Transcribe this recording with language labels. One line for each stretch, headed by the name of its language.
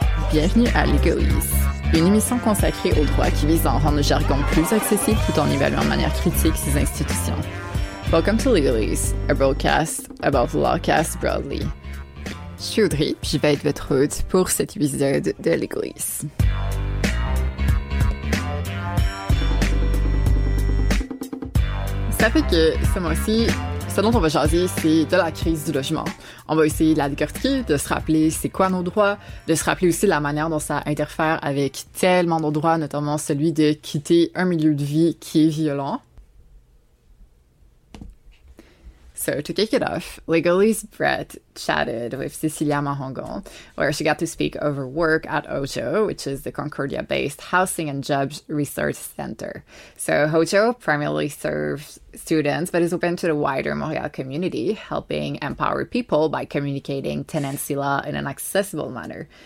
French: Bienvenue à Legalese, une émission consacrée au droit qui vise à en rendre le jargon plus accessible tout en évaluant de manière critique ses institutions.
English: Welcome to Legalese, a broadcast about the lawcast broadly.
French: Je suis Audrey, puis je vais être votre hôte pour cet épisode de Legalese. Ça fait que ce mois-ci, ce dont on va jaser, c'est de la crise du logement. On va essayer de la décortiquer, de se rappeler c'est quoi nos droits, de se rappeler aussi la manière dont ça interfère avec tellement de droits, notamment celui de quitter un milieu de vie qui est violent.
English: So to kick it off, Legalese Brett chatted with Cecilia Mahongon, where she got to speak over work at Ojo, which is the Concordia-based Housing and Jobs Research Center. So Ojo primarily serves students, but is open to the wider Montreal community, helping empower people by communicating tenancy law in an accessible manner.